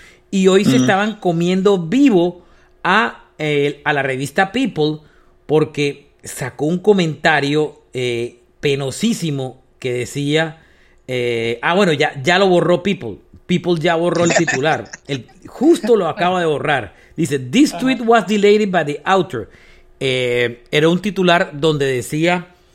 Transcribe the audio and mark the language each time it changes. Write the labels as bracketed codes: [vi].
[es] Y hoy se estaban comiendo vivo a la revista People porque sacó un comentario penosísimo que decía... ya lo borró People. People ya borró el titular. Justo lo acaba de borrar. Dice, [en] this tweet was deleted by the author. [es] Era un titular donde decía...